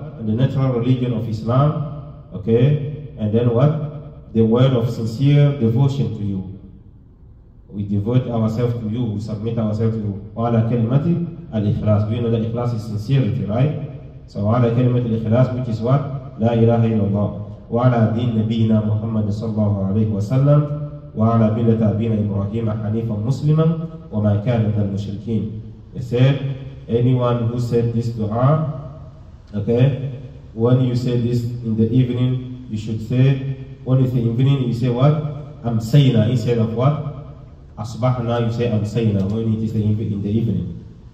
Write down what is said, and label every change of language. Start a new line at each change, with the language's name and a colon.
English: On the natural religion of Islam. Okay? And then what? The word of sincere devotion to you. We devote ourselves to you. We submit ourselves to you.
Arabic: وَعَلَى كَلِمَةِ الْإِخْلَاصِ.
English: We know that ikhlas is sincerity, right? So
Arabic: وَعَلَى كَلِمَةِ الْإِخْلَاصِ,
English: which is what?
Arabic: لا إله إلا الله وعلى دين نبينا محمد صلى الله عليه وسلم وعلى ملة أبينا إبراهيم حنيفا مسلما وما كان من المشركين.
English: He said, anyone who said this dua, okay, when you say this in the evening, you should say, when it's the evening, you say what? أمسينا, instead of what? أصبحنا, you say أمسينا, when it is in the evening.